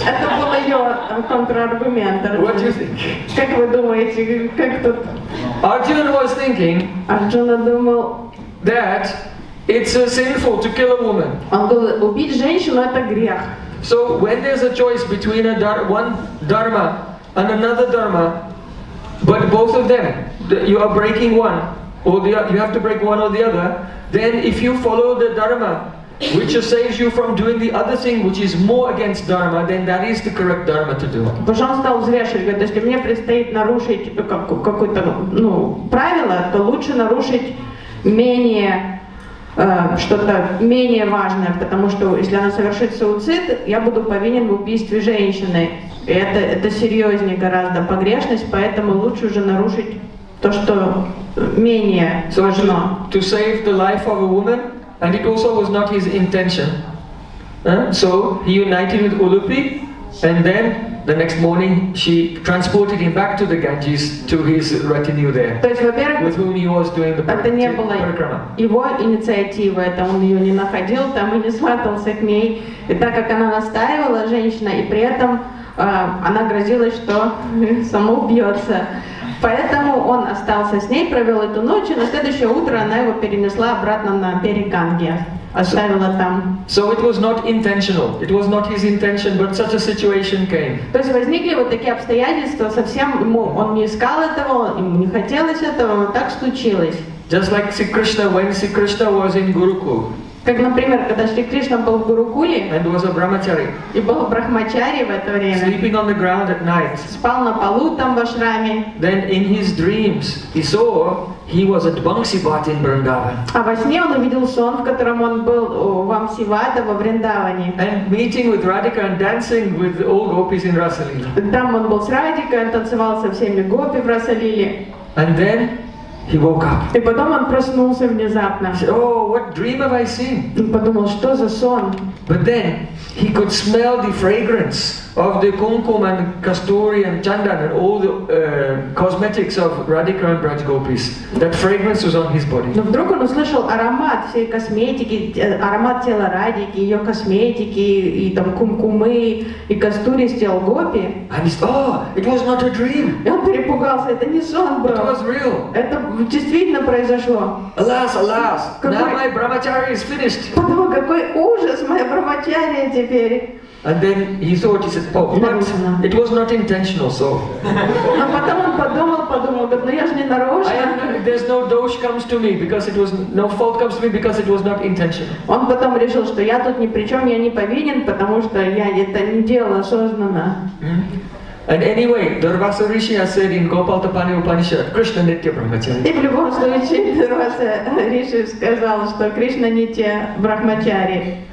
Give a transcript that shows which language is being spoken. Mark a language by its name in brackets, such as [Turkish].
[Russian] Это был ее контраргумент. [English] What do you think? [Russian] Как вы думаете, как тут? [English] Arjuna was thinking. [Russian] Арджуна думал. [English] That it's sinful to kill a woman. [Russian] Он говорит, убить женщину это грех. [English] So when there's a choice between one dharma and another dharma, but both of them, you are breaking one, or you have to break one or the other, then if you follow the dharma, which saves you from doing the other thing, which is more against dharma, then that is the correct dharma to do. [Russian] Боже, он стал взвешивать, говорит, если мне предстоит нарушить какое-то правило, то лучше нарушить менее... что-то менее важное, потому что если она совершит суицид, я буду повинен в убийстве женщины. И это серьезнее гораздо погрешность, поэтому лучше уже нарушить то, что менее важно. [English] To save the life of a woman, and it also was not his intention. So he united with Ulupi, and then the next morning she transported him back to the Ganges to his retinue there. [Russian] То есть, во-первых, [English] with whom he was doing the [Russian] это не было его инициатива, это он ее не находил там и не сватался к ней. И так как она настаивала, женщина, и при этом она грозилась, что самоубьется. Поэтому он остался с ней, провел эту ночь, и на следующее утро она его перенесла обратно на берег Ганги. Оставила там. [English] So it was not intentional. It was not his intention, but such a situation came. [Russian] То есть возникли вот такие обстоятельства, совсем ему он не искал этого, ему не хотелось этого, но так случилось. [English] Just like Sri Krishna, when Sri Krishna was in Gurukul. [Russian] Как, например, когда Шри Кришна был в Гурукуле. [English] And was a brahmachari. [Russian] И был брахмачари в это время. [English] Sleeping on the ground at night. [Russian] Спал на полу там в ашраме. [English] Then in his dreams he saw. He was at Bangsibat in Vrindavan. [Russian] А во сне он увидел сон, в котором он был у Бангсибата во Вриндаване. [English] And meeting with Radhika and dancing with all gopis in Rasalila. [Russian] Там он был с Радикой, танцевал со всеми гопи в Расалиле. [English] And then he woke up. [Russian] И потом он проснулся внезапно. [English] He said, oh, what dream have I seen? [Russian] Он подумал, что за сон? [English] But then he could smell the fragrance of the kumkum and kasturi and chandan and all the cosmetics of Radhika and Braj gopis. That fragrance was on his body. [Russian] Но вдруг он услышал аромат всей косметики, аромат тела Радики, ее косметики и там кумкумы и кастури с тел гопи. [English] And he said, oh, it was not a dream. [Russian] И он перепугался, это не сон был. [English] It was real. [Russian] Это действительно произошло. [English] Alas, alas, now my brahmacharya is finished. [Russian] Подумал, какой ужас, моя брахмачария теперь. [English] And then he thought, he said, oh, but it was not intentional, so. [Russian] А потом он подумал, говорит, ну я же не нарочно. [English] There's no dosh comes to me because it was, no fault comes to me because it was not intentional. [Russian] Он потом решил, что я тут ни при чем, я не повинен, потому что я это не делал осознанно. [English] And anyway, Durvasa Rishi has said in Gopal Tapani Upanishad, Krishna Nitya Brahmachari. [Russian] И в любом случае, Durvasa Rishi сказал, что Krishna Nitya Brahmachari.